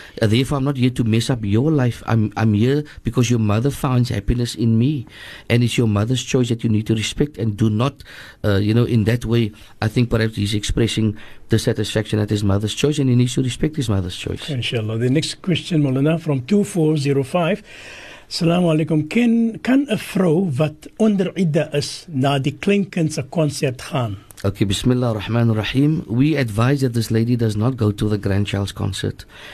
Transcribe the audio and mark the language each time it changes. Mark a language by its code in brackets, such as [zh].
[en] Therefore, I'm not here to mess up your life. I'm here because your mother finds happiness in me, and it's your mother's choice that you need to respect and do not, in that way, I think perhaps he's expressing dissatisfaction at his mother's choice, and he needs to respect his mother's choice. Inshallah. The next question, Moulana, from 2405. Assalamu alaikum. [af] Kan 'n vrou wat onder idda is na die kleinkind se konsert gaan? [en] Okay, Bismillah ar-Rahman ar-Rahim. We advise that this lady does not go to the grandchild's concert.